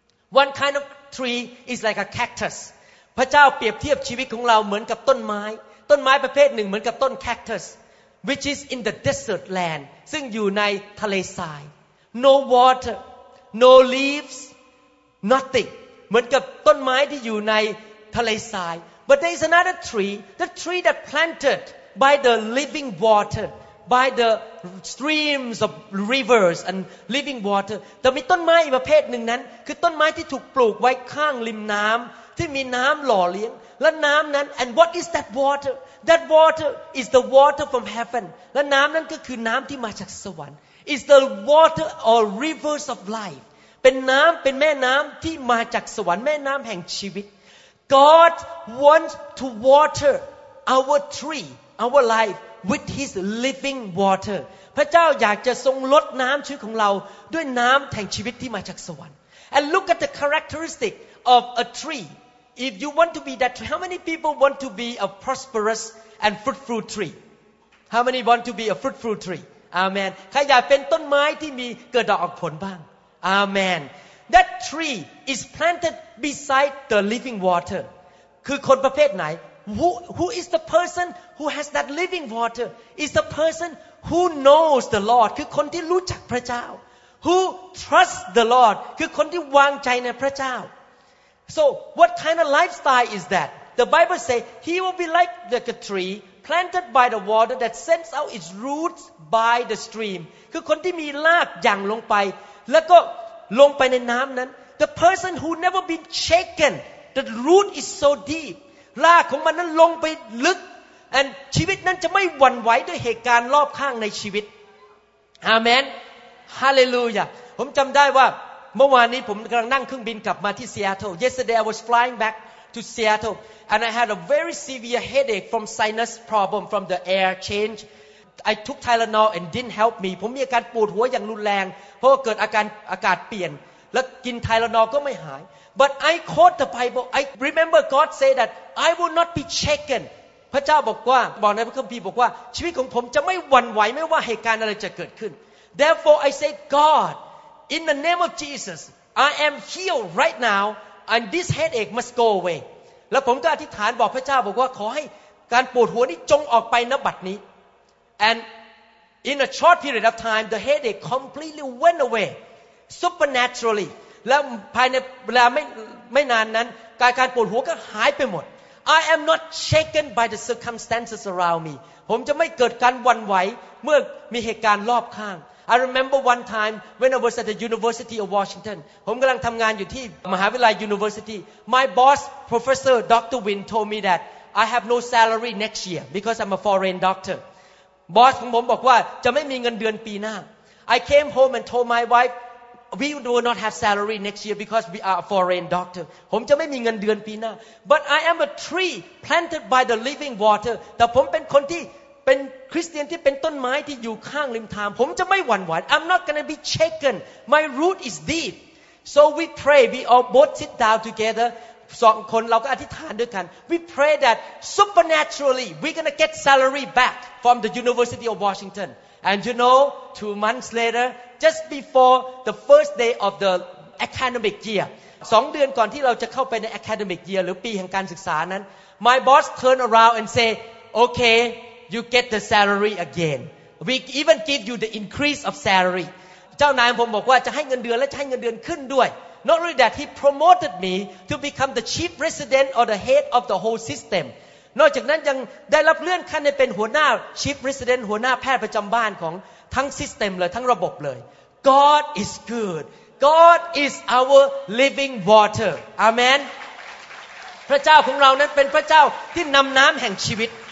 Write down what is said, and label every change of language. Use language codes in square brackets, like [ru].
[en] One kind of tree is like a cactus. [th] พระเจ้าเปรียบเทียบชีวิตของเราเหมือนกับต้น [en] ไม้ต้นไม้ประเภทหนึ่งเหมือนกับต้น cactus, which is in the desert land, [th] ซึ่งอยู่ในทะเลทราย [en] No water, no leaves, nothing. [th] เหมือนกับต้นไม้ที่อยู่ในทะเลทราย [en] But there is another tree, the tree that planted by the living water. By the streams of rivers and living water. [th] แต่มีต้นไม้อีกประเภทหนึ่งนั้นคือต้นไม้ที่ถูกปลูกไว้ข้างริมน้ำที่มีน้ำหล่อเลี้ยงและน้ำนั้น [en] and what is that water? That water is the water from heaven. [th] และน้ำนั้นก็คือน้ำที่มาจากสวรรค์ [en] is the water or rivers of life. [th] เป็นน้ำเป็นแม่น้ำที่มาจากสวรรค์แม่น้ำแห่งชีวิต [en] God wants to water our tree our life with His living water [th] พระเจ้าอยากจะทรงรดน้ำชีวิตของเราด้วยน้ำแห่งชีวิตที่มาจากสวรรค์ [en] And look at the characteristic of a tree if you want to be that tree how many people want to be a prosperous and fruitful tree how many want to be a fruitful tree amen [th] ใครอยากเป็นต้นไม้ที่มีเกิดดอกออกผลบ้าง [en] Amen. That tree is planted beside the living water. [th] คือคนประเภทไหน [en] Who is the person who has that living water? Is the person who knows the Lord. [th] คือคนที่รู้จักพระเจ้า [en] Who trusts the Lord. [th] คือคนที่วางใจในพระเจ้า [en] So what kind of lifestyle is that? The Bible says he will be like a tree planted by the water that sends out its roots by the stream. [th] คือคนที่มีรากหยั่งลงไปแล้วก็ลงไปในน้ำนั้น [en] the person who never been shaken the root is so deep [th] รากของมันนั้นลงไปลึก and ชีวิตนั้นจะไม่หวั่นไหวด้วยเหตุการณ์รอบข้างในชีวิต [en] amen hallelujah [th] ผมจำได้ว่าเมื่อวานนี้ผมกำลังนั่งเครื่องบินกลับมาที่ [en] Seattle yesterday I was flying back to Seattle and I had a very severe headache from sinus problem from the air changeI took Tylenol and didn't help me. [th] ผมมีอาการปวดหัวอย่างรุนแรงเพราะเกิดอาการอากาศเปลี่ยนและกิน Tylenol ก็ไม่หาย [en] But I quote the Bible. I remember God say that I will not be shaken. [th] พระเจ้าบอกว่าบอกในพระคัมภีร์บอกว่าชีวิตของผมจะไม่หวั่นไหวไม่ว่าเหตุการณ์อะไรจะเกิดขึ้น [en] Therefore I say God in the name of Jesus I am healed right now and this headache must go away. [th] แล้วผมก็อธิษฐานบอกพระเจ้าบอกว่าขอให้การปวดหัวนี้จงออกไปณบัดนี้ [en] And in a short period of time, the headache completely went away supernaturally. [th] แล้วภายในเวลาไม่นานนั้นการปวดหัวก็หายไปหมด [en] I am not shaken by the circumstances around me. [th] ผมจะไม่เกิดการหวั่นไหวเมื่อมีเหตุการณ์รอบข้าง [en] I remember one time when I was at the University of Washington. ผมกำลังทำงานอยู่ที่มหาวิทยาลัย University. My boss, Professor Dr. Win, told me that I have no salary next year because I'm a foreign doctor. [th] บอสของผมบอกว่าจะไม่มีเงินเดือนปีหน้า [en] I came home and told my wife we will not have salary next year because we are a foreign doctor [th] ผมจะไม่มีเงินเดือนปีหน้า [en] but I am a tree planted by the living water [th] แต่ผมเป็นคนที่ เป็นคริสเตียนที่เป็นต้นไม้ที่อยู่ข้างริมทางผมจะไม่หวั่นไหว [en] I'm not going to be shaken my root is deep so we pray we all both sit down together [th] สองคนเราก็อธิษฐานด้วยกัน [en] we pray that supernaturally we're going to get salary backfrom the University of Washington. And you know, 2 months later, just before the first day of the academic year, 2 months [th] ก่อนที่เราจะเข้าไปใน [en] academic year [th] หรือปีแห่งการศึกษานั้น, [en] my boss turned around and said, okay, you get the salary again. We even give you the increase of salary. [th] เจ้านายผมบอกว่าจะให้เงินเดือนและให้เงินเดือนขึ้นด้วย. [en] Not only that, he promoted me to become the chief resident or the head of the whole system. [th] นอกจากนั้นยังได้รับเลื่อนขั้นให้เป็นหัวหน้า Chief Resident หัวหน้าแพทย์ประจำบ้านของทั้งซิสเต็มเลยทั้งระบบเลย [en] God is good God is our living water [th] Amen พระเจ้าของเรานั้นเป็นพระเจ้าที่นำน้ำแห่งชีวิต